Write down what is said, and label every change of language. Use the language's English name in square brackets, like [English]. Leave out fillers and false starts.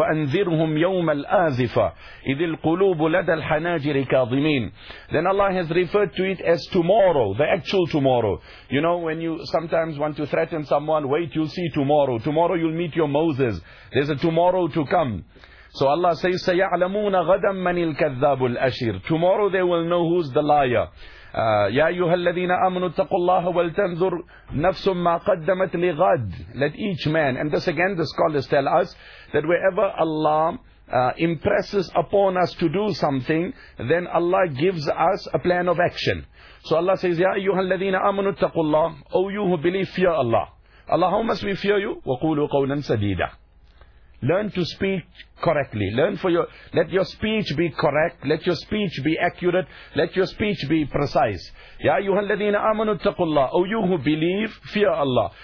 [Arabic] وَأَنذِرْهُمْ يَوْمَ الْآزِفَةِ إِذِ الْقُلُوبُ لَدَى الْحَنَاجِرِ كَاظِمِينَ. [English] Then Allah has referred to it as tomorrow, the actual tomorrow. You know, when you sometimes want to threaten someone, wait, you'll see tomorrow. Tomorrow you'll meet your Moses. There's a tomorrow to come. So Allah says, [Arabic] سَيَعْلَمُونَ غَدًا مَنِ الْكَذَّابُ الْأَشِرُ. [English] Tomorrow they will know who's the liar. [Arabic] يَا أَيُّهَا الَّذِينَ آمَنُوا اتَّقُوا اللَّهَ وَلْتَنْذُرْ نَفْسٌ مَّا قَدَّمَتْ لِغَدٍ. [English] Let each man, and this again the scholars tell us, that wherever Allah impresses upon us to do something, then Allah gives us a plan of action. So Allah says, [Arabic] يَا أَيُّهَا الَّذِينَ آمَنُوا اتَّقُوا اللَّهَ. [English] O you who believe, fear Allah. Allah, how must we fear you? [Arabic] وَقُولُوا قَوْلًا سَدِيدًا. [English] Learn to speak correctly. Learn for your, let your speech be correct. Let your speech be accurate. Let your speech be precise. [Arabic] Ya ayyuhal ladhina amanu taqullah. [English] O you who believe, fear Allah.